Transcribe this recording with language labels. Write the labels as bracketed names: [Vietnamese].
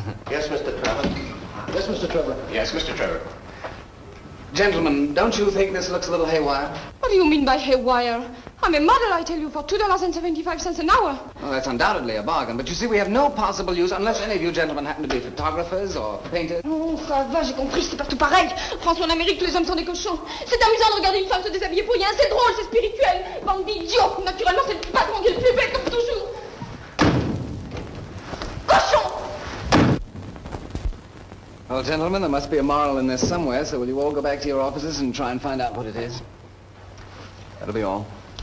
[English] Yes, Mr. Trevor. Yes, Mr. Trevor. Yes, Mr. Trevor. Gentlemen, don't you think this looks a little haywire? What do you mean by haywire? I'm a model, I tell you, for $2.75 an hour. Well, that's undoubtedly a bargain. But you see, we have no possible use unless any of you gentlemen happen to be photographers or painters. [French] Oh, ça va, j'ai compris, c'est partout pareil. France, en Amérique, les hommes sont des cochons. C'est amusant de regarder une femme se déshabiller pour rien. C'est drôle, c'est spirituel. Bande d'idiots. Naturellement, c'est le patron qui est le plus bête, comme toujours. Cochon! [English] Well, gentlemen, there must be a moral in this somewhere, so will you all go back to your offices and try and find out what it is? That'll be all.